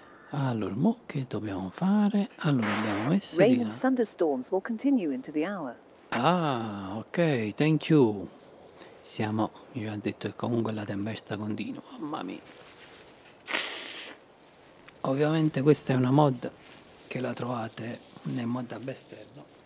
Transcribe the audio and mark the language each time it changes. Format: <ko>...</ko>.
<it>Allora, mo che dobbiamo fare? Allora, abbiamo messo rain di là.</it> <en>Thunderstorms will continue into the hour. Ah, ok, thank you.</en> <it>Siamo, mi ha detto che comunque la tempesta continua. Mamma mia. Ovviamente questa è una mod che la trovate nel mod all'esterno.</it>